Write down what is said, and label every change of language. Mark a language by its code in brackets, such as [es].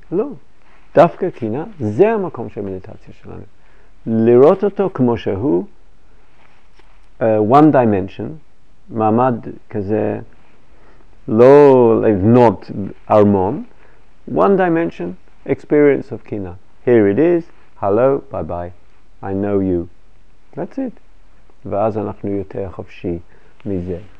[he] לא, דווקא קנאה זה המקום של מדיטציה שלנו. לראות אותו כמו שהוא, [en] one dimension, [he] מעמד כזה, לא לבנות ארמון, [en] one dimension, experience of [he] קנאה. [en] Here it is, hello, bye bye, I know you. That's it. [he] ואז אנחנו יותר חופשי מזה.